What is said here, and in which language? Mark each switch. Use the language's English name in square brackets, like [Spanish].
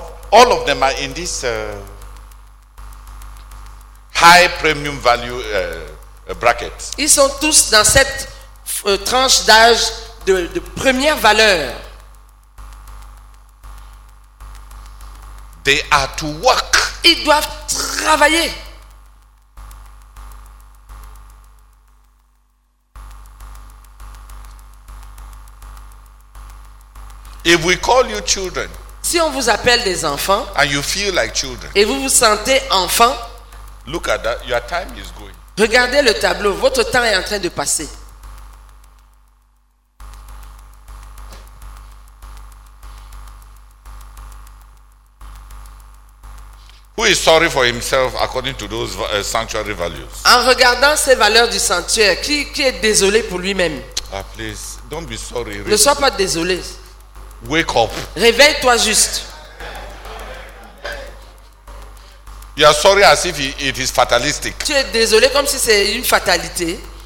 [English] All of them are in this high premium value bracket. [French] Ils sont tous dans cette tranche d'âge de première valeur. [English] They are to work. [French] Ils doivent travailler. [English] If we call you children, [French] si on vous appelle des enfants, [English] and you feel like children, [French] et vous vous sentez enfant, [English] look at that. Your time is going. [French] Regardez le tableau, votre temps est en train de passer. [English] Who is sorry for himself according to those sanctuary values? [French] En regardant ces valeurs du sanctuaire, qui est désolé pour lui-même? [English] Ah, please, don't be sorry. [French] Ne sois pas désolé. [English] Wake up. [French] Réveille-toi juste. [English] You are sorry as if it is fatalistic. [French] Tu es désolé comme si c'est une fatalité.